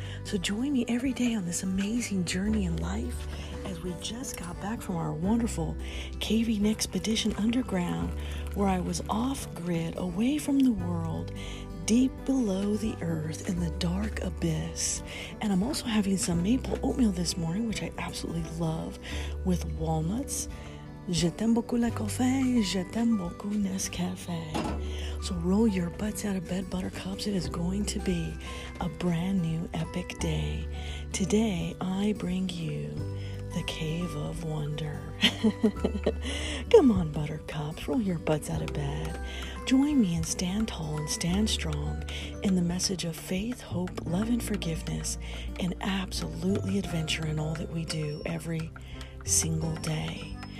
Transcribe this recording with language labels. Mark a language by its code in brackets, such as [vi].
[en] So join me every day on this amazing journey in life as we just got back from our wonderful caving expedition underground, where I was off grid, away from the world, deep below the earth in the dark abyss. And I'm also having some maple oatmeal this morning, which I absolutely love, with walnuts. [fr] Je t'aime beaucoup le café, je t'aime beaucoup Nescafe. [en] So roll your butts out of bed, buttercups. It is going to be a brand new epic day. Today, I bring you the Cave of Wonder. Come on, buttercups, roll your butts out of bed. Join me and stand tall and stand strong in the message of faith, hope, love, and forgiveness, and absolutely adventure in all that we do every single day.